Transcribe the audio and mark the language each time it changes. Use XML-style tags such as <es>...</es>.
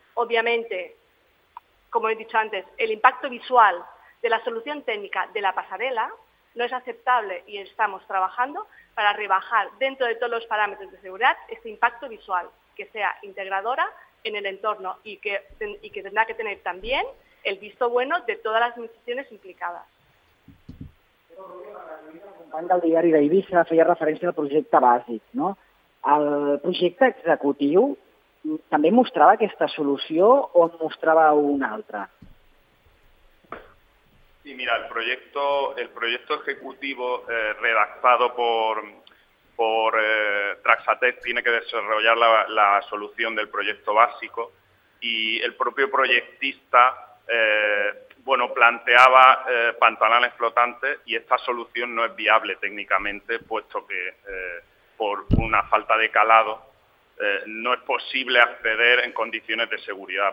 <es>Obviamente, como he dicho antes, el impacto visual de la solución técnica de la pasarela no es aceptable y estamos trabajando para rebajar dentro de todos los parámetros de seguridad este impacto visual, que sea integradora en el entorno y que tendrá que tener también el visto bueno de todas las instituciones implicadas.</es> <ca>Quan del diari d'Eivissa feia referència al projecte bàsic, no? El projecte executiu també mostrava aquesta solució o en mostrava una altra?</ca> <es>Sí, mira, el proyecto ejecutivo redactado por Traxatec tiene que desarrollar la solución del proyecto básico y el propio proyectista planteaba pantanales flotantes y esta solución no es viable técnicamente puesto que por una falta de calado no es posible acceder en condiciones de seguridad.</es>